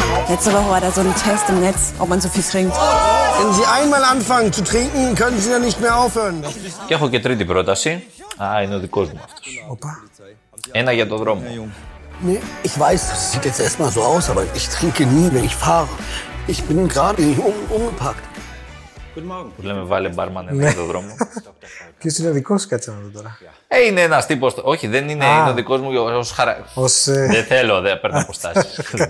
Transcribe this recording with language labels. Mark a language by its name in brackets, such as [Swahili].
[German] Letzte Woche war da so ein Test im Netz, ob man so viel trinkt. Wenn Sie einmal anfangen zu trinken, können Sie ja nicht mehr aufhören. [Greek] Και έχω και τρίτη πρόταση. Α, είναι ο δικός μου αυτός. Opa. Ένα για τον δρόμο. [German] Nee, ich weiß, das sieht jetzt erstmal so aus, aber ich trinke nie, wenn ich fahre. Ich bin gerade umgepackt. [Greek] Που λέμε βάλε μπαρμάν ένα για τον δρόμο. Ποιος είναι ο δικός σου, κάτσε να δω τώρα. Είναι ένας τύπος. Όχι, δεν είναι, είναι ο δικός μου ως χαρακτήρα. Δεν θέλω, δεν παίρνω αποστάσεις.